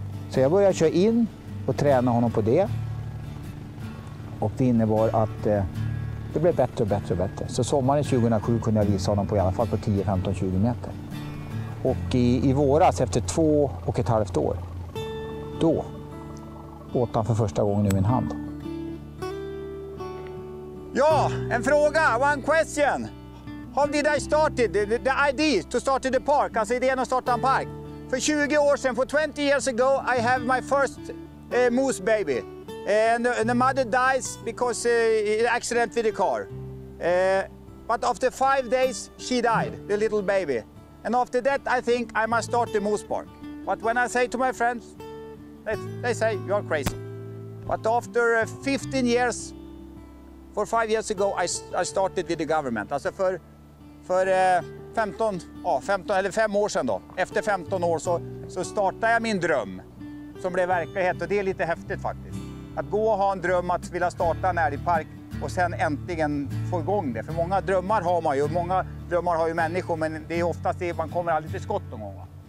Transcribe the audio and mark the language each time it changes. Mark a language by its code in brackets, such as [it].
[sv] Så jag började köra in och träna honom på det. Och det innebar att det blev bättre och bättre och bättre. Så sommaren 2007 kunde jag visa honom på i alla fall på 10, 15, 20 meter. Och i våras, efter 2,5 år, då åt han för första gången i min hand. Ja, en fråga, [en] one question. How did I start the idea to start the park? [sv] Alltså idén att starta en park. För 20 år sedan, [en] for 20 years ago, I have my first moose baby. And the mother dies because of accident with the car. But after 5 days, she died, the little baby. And after that, I think I must start the moose park. But when I say to my friends, they say, you're crazy. But after 15 years, for 5 years ago, I started with the government. [sv] Alltså för 5 år sedan då. Efter 15 år så startade jag min dröm som blev verklighet. Och det är lite häftigt faktiskt. Att gå och ha en dröm att vilja starta en älgpark och sen äntligen få igång det. För många drömmar har man ju, många drömmar har ju människor, men det är oftast det, man kommer aldrig till skott någon gång.